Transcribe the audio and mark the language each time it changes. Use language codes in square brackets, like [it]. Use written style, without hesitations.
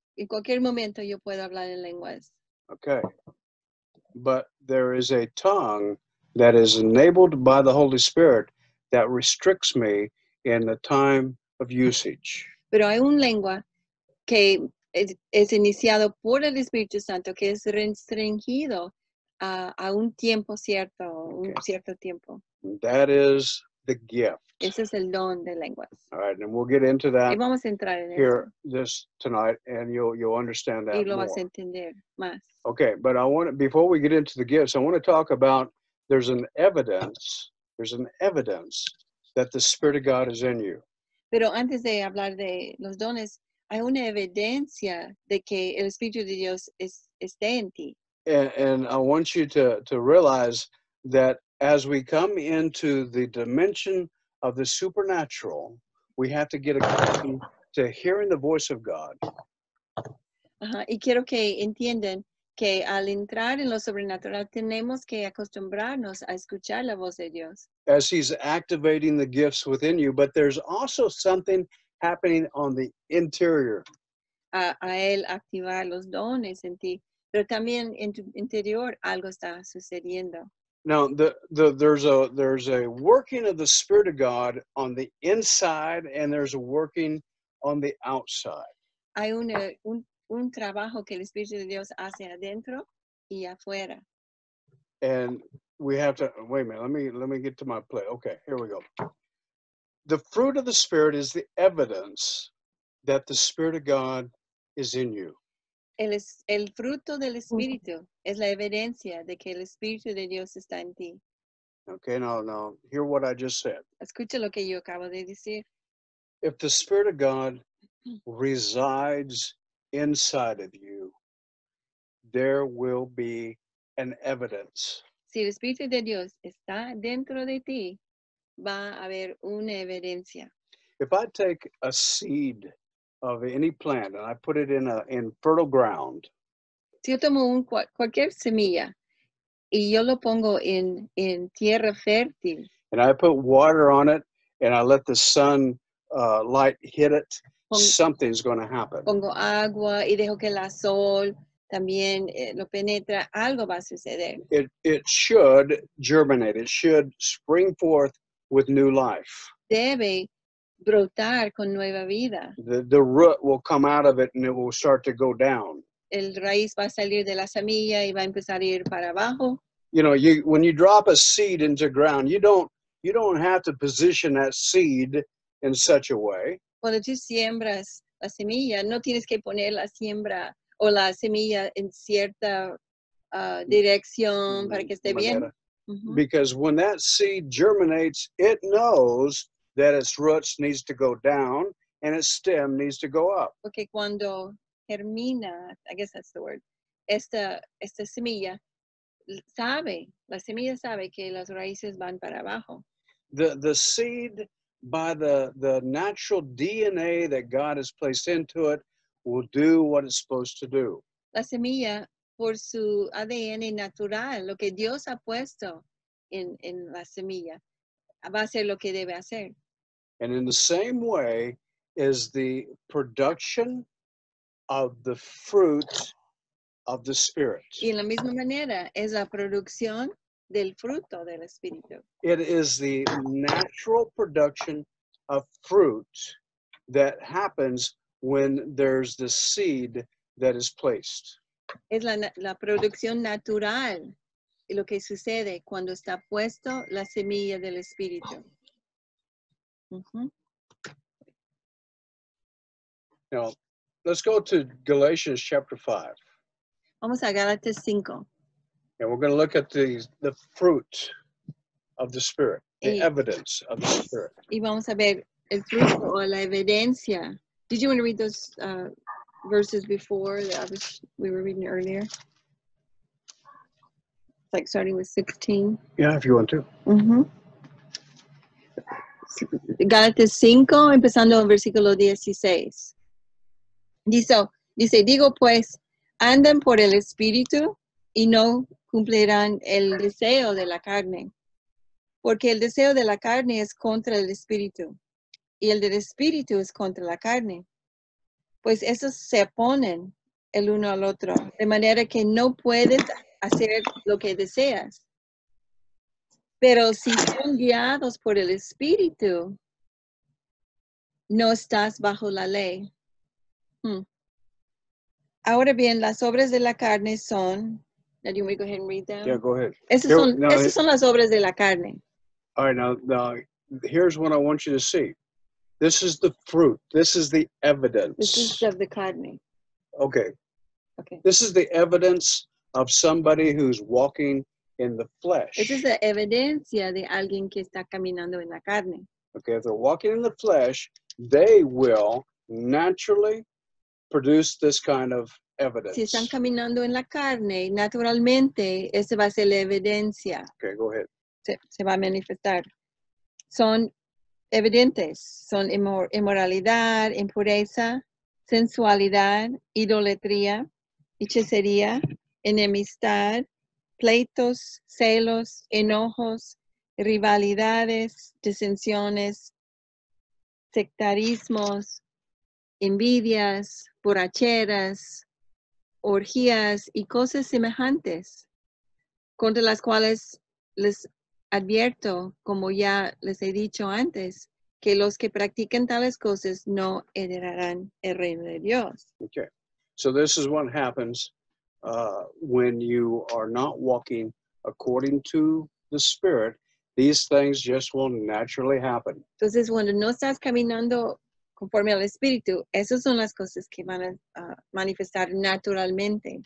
[es] En cualquier momento yo puedo hablar en lenguas. [en] Okay. But there is a tongue that is enabled by the Holy Spirit that restricts me in the time of usage. [es] Pero hay un lengua que es iniciado por el Espíritu Santo que es restringido a un tiempo cierto, okay. Un cierto tiempo. [en] That is the gift. [es] Ese es el don de lenguas. [en] All right, and we'll get into that [es] y vamos a entrar en [en] here [es] eso. [en] This tonight, and you'll understand that [es] y lo [en] more. [es] Vas a entender más. [en] Okay, but I want, before we get into the gifts, I want to talk about there's an evidence that the Spirit of God is in you. [es] Pero antes de hablar de los dones, hay una evidencia de que el Espíritu de Dios está en ti. [en] And I want you to realize that as we come into the dimension of the supernatural, we have to get accustomed to hearing the voice of God. [es] Uh-huh. Y quiero que entiendan que al entrar en lo sobrenatural tenemos que acostumbrarnos a escuchar la voz de Dios. [en] As he's activating the gifts within you, but there's also something happening on the interior. [es] A él activar los dones en ti, Pero también en tu interior algo está sucediendo. [en] Now there's a working of the Spirit of God on the inside, and there's a working on the outside. [es] Hay un trabajo que el Espíritu de Dios hace adentro y afuera. [en] And we have to wait a minute. Let me get to my play. Okay, here we go. The fruit of the Spirit is the evidence that the Spirit of God is in you. [es] El fruto del Espíritu es la evidencia de que el Espíritu de Dios está en ti. [en] Okay, now hear what I just said. [es] Escucha lo que yo acabo de decir. [en] If the Spirit of God resides inside of you, there will be an evidence. [es] Si el Espíritu de Dios está dentro de ti, va a haber una evidencia. [en] If I take a seed of any plant and I put it in fertile ground. [es] Si yo tomo cualquier semilla y yo lo pongo en tierra fértil. [en] And I put water on it and I let the sun light hit it, something's going to happen. [es] Pongo agua y dejo que la sol también lo penetra, algo va a suceder. [en] It should germinate. It should spring forth with new life. [es] Debe brotar con nueva vida. [en] The root will come out of it and it will start to go down. [es] El raíz va a salir de la semilla y va a empezar a ir para abajo. [en] You know, when you drop a seed into ground, you don't have to position that seed in such a way. [es] Cuando tú siembras la semilla, no tienes que poner la siembra o la semilla en cierta dirección para que esté manera. Bien. Mm-hmm. [en] Because when that seed germinates, it knows that its roots needs to go down and its stem needs to go up. [es] Okay, cuando germina, [en] I guess that's the word, [es] esta semilla sabe, la semilla sabe que las raíces van para abajo. [en] The seed by the natural DNA that God has placed into it will do what it's supposed to do. [es] La semilla por su ADN natural, lo que Dios ha puesto en la semilla, va a hacer lo que debe hacer. [en] And in the same way is the production of the fruit of the Spirit. [es] Y en la misma manera es la producción del fruto del Espíritu. [en] It is the natural production of fruit that happens when there's the seed that is placed. [es] Es la producción natural lo que sucede cuando está puesto la semilla del Espíritu. Mm-hmm. [en] Now, let's go to Galatians chapter 5. [es] Vamos a Galatas 5. [en] And we're going to look at the fruit of the Spirit, evidence of the Spirit. [es] Y vamos a ver el fruto o la evidencia. [en] Did you want to read those verses before that we were reading earlier? It's like starting with 16. Yeah, if you want to. Mm-hmm. [es] Gálatas 5, empezando en versículo 16. Dice, digo pues, andan por el Espíritu y no cumplirán el deseo de la carne. Porque el deseo de la carne es contra el Espíritu, y el del Espíritu es contra la carne. Pues esos se oponen el uno al otro, de manera que no puedes hacer lo que deseas. Pero si son guiados por el Espíritu, no estás bajo la ley. Ahora bien, las obras de la carne son... [en] Now, do you want me to go ahead and read them? Yeah, go ahead. [es] Esas son las obras de la carne. [en] All right, now, here's what I want you to see. This is the fruit. This is the evidence. This is of the carne. Okay. Okay. This is the evidence of somebody who's walking in the flesh. [es] Esa es la evidencia de alguien que está caminando en la carne. [en] Okay, if they're walking in the flesh, they will naturally produce this kind of evidence. [es] Si están caminando en la carne, naturalmente, esa va a ser la evidencia. [en] Okay, go ahead. [es] Se va a manifestar. Son evidentes. Son inmoralidad, impureza, sensualidad, idolatría, hechicería, enemistad, pleitos, celos, enojos, rivalidades, disensiones, sectarismos, envidias, borracheras, orgías y cosas semejantes, contra las cuales les advierto, como ya les he dicho antes, que los que practican tales cosas no heredarán el reino de Dios. [en] Okay, so this is what happens when you are not walking according to the Spirit. These things just will naturally happen. [es] Entonces, cuando no estás caminando conforme al Espíritu, esas son las cosas que van a manifestar naturalmente.